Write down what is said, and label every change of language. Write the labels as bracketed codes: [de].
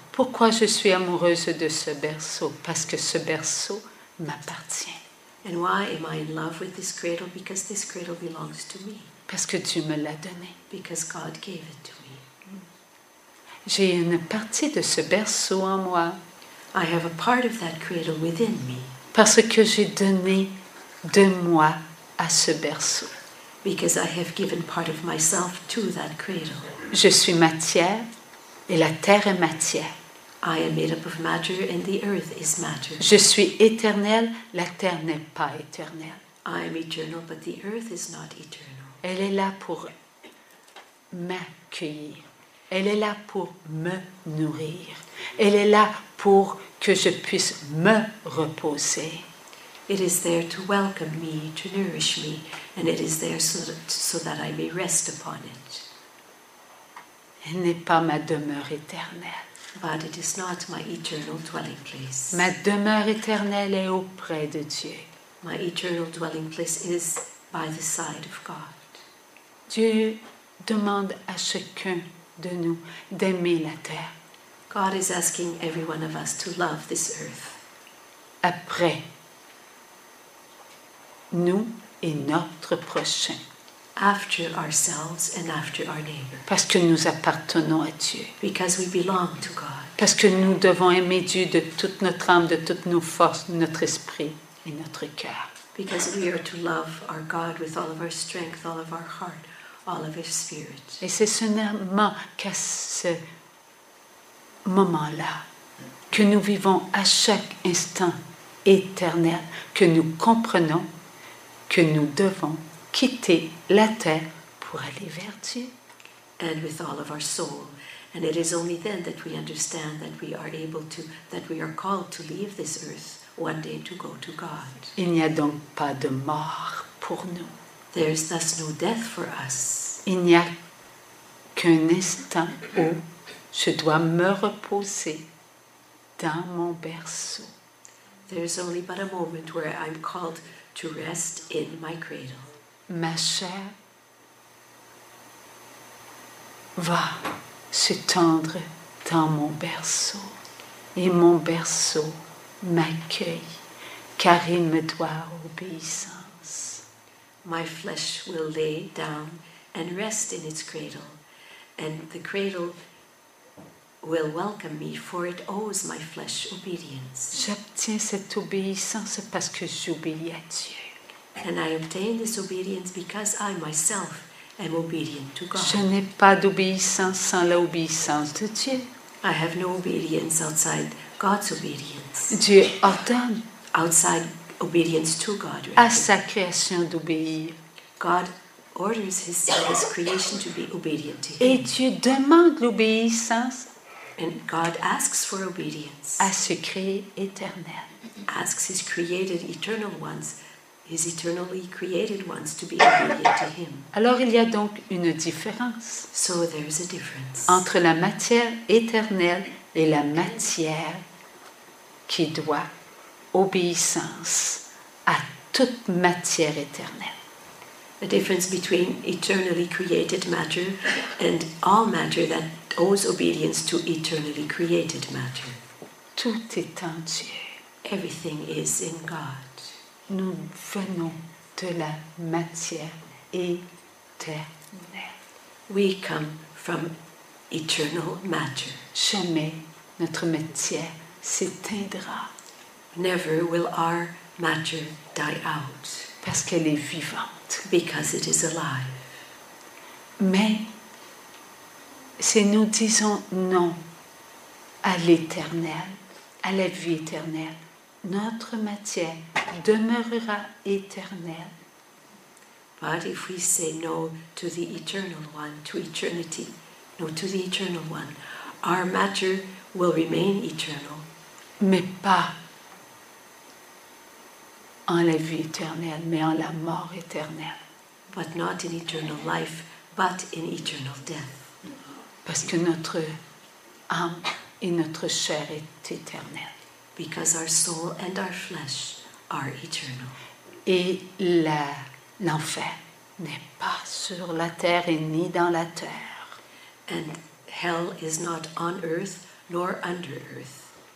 [fr] Pourquoi je suis amoureuse de ce berceau? Parce que ce berceau m'appartient. [en] And why am I in love with this cradle? Because this cradle belongs to me. [fr] Parce que Dieu me l'a donné. [en] Because God gave it to me. [fr] J'ai une partie de ce berceau en moi. [en] I have a part of that cradle within me. [fr] Parce que j'ai donné de moi à ce berceau. [en] Because I have given part of myself to that cradle. [fr] Je suis matière. Et la terre est matière. [en] I am made up of matter and the earth is matter. [fr] Je suis éternel, la terre n'est pas éternelle. [en] I am eternal, but the earth is not eternal. [fr] Elle est là pour m'accueillir. Elle est là pour me nourrir. Elle est là pour que je puisse me reposer. [en] It is there to welcome me, to nourish me, and it is there so that I may rest upon it. [fr] Elle n'est pas ma demeure éternelle. [en] But it is not my eternal dwelling place. [fr] Ma demeure éternelle est auprès de Dieu. [en] My eternal dwelling place is by the side of God. [fr] Dieu demande à chacun de nous d'aimer la terre. [en] God is asking every one of us to love this earth. [fr] Après nous et notre prochain. [en] after ourselves and after our neighbor. [fr] Parce que nous appartenons à Dieu. [en] Because we belong to God. [fr] Parce que nous devons aimer Dieu de toute notre âme, de toutes nos forces, notre esprit et notre cœur. [en] Because we are to love our God with all of our strength, all of our heart, all of his spirit. [fr] Et c'est seulement qu'à ce moment-là que nous vivons à chaque instant éternel, que nous comprenons que nous devons quitter la terre pour aller vers Dieu. [en] And with all of our soul. And it is only then that we understand that we are able to, that we are called to leave this earth one day to go to God. [fr] Il n'y a donc pas de mort pour nous. [en] There is thus no death for us. [fr] Il n'y a qu'un instant où je dois me reposer dans mon berceau. [en] There is only but a moment where I'm called to rest in my cradle. [fr] Ma chair va s'étendre dans mon berceau et mon berceau m'accueille car il me doit obéissance. [en] My flesh will lay down and rest in its cradle, and the cradle will welcome me, for it owes my flesh obedience. [fr] J'obtiens cette obéissance parce que j'obéis à Dieu. [en] And I obtain this obedience because I myself am obedient to God. [fr] Je n'ai pas d'obéissance sans l'obéissance de Dieu. [en] I have no obedience outside God's obedience. [fr] Dieu ordonne [en] outside obedience to God. [fr] À sa création d'obéir. [en] God orders his creation to be obedient to him. [fr] Et Dieu demande l'obéissance. [en] And God asks for obedience. [fr] À ce créé éternel. [en] Asks his created eternal ones. His eternally created ones to be obedient to him. [fr] Alors il y a donc une différence, [en] so there is a difference, [fr] entre la matière éternelle et la matière qui doit obéissance à toute matière éternelle. [en] A difference between eternally created matter and all matter that owes obedience to eternally created matter. [fr] Tout est en Dieu. [en] Everything is in God. [fr] Nous venons de la matière éternelle. [en] We come from eternal matter. [fr] Jamais notre matière s'éteindra. [en] Never will our matter die out. [fr] Parce qu'elle est vivante. [en] Because it is alive. [fr] Mais si nous disons non à l'éternel, à la vie éternelle, notre matière demeurera éternelle. [en] But if we say no to the eternal one, to eternity, no to the eternal one, our matter will remain eternal. [fr] Mais pas en la vie éternelle, mais en la mort éternelle. [en] But not in eternal life, but in eternal death. [fr] Parce que notre âme et notre chair est éternelle. [en] Because our soul and our flesh are eternal. [fr] Et l'enfer n'est pas sur la terre et ni dans la terre. [en] And hell is not on earth nor under earth.